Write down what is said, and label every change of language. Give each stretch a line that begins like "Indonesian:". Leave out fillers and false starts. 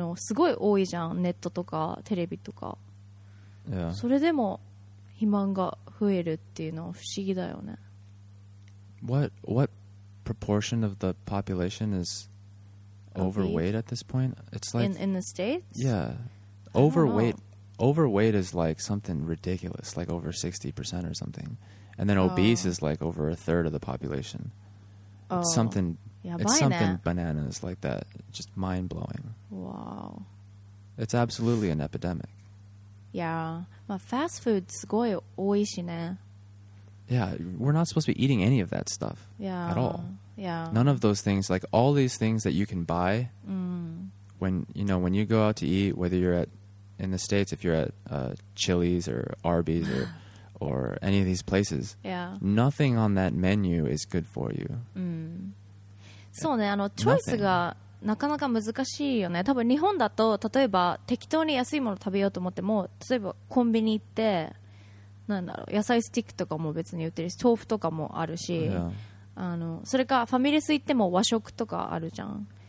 Japanese: でもアメリカの方がなんかみんな体重気をつけようとか健康がなんちゃらっていうのすごい多いじゃん、ネットとかテレビとか.それでも肥満が増えるっていうのは不思議だよね.
English: What proportion of the population is overweight at this point? It's like in the States? Yeah. Overweight is like something ridiculous, like over 60% or something. And then obese is like over a third of the population. It's something bananas like that. Just mind blowing. Wow. It's absolutely an epidemic.
Japanese: Yeah. まあ、fast food すごい多いしね。
English: Yeah, we're not supposed to be eating any of that stuff. Yeah. At all. Yeah. None of those things, like all these things that you can buy when, you know, when you go out to eat, whether you're at, in the States, if you're at Chili's or Arby's or or any of these places, yeah, nothing on that menu is good for you.
Japanese: そうね、あの、チョイスがなかなか難しいよね。多分日本だと、例えば適当に安いもの食べようと思っても、例えばコンビニ行って、なんだろう、野菜スティックとかも別に売ってるし、豆腐とかもあるし、あの、それかファミレス行っても和食とかあるじゃん。